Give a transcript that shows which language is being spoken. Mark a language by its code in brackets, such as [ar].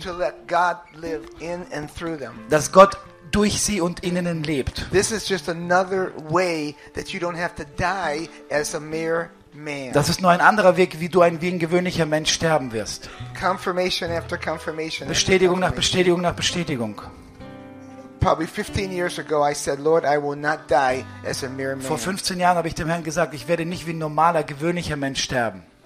[en] To let God live in and through them. [de] Dass Gott durch sie und in ihnen lebt. [en] This is just another way that you don't have to die as a mere man. [de] Das ist nur ein anderer Weg, wie du wie ein gewöhnlicher Mensch sterben wirst. [en] Confirmation after confirmation. [de] Bestätigung nach Bestätigung nach Bestätigung. [en] Probably 15 years ago I said, Lord, I will not die as a mere man. [de] Vor 15 Jahren habe ich dem Herrn gesagt, ich werde nicht wie ein normaler gewöhnlicher Mensch sterben.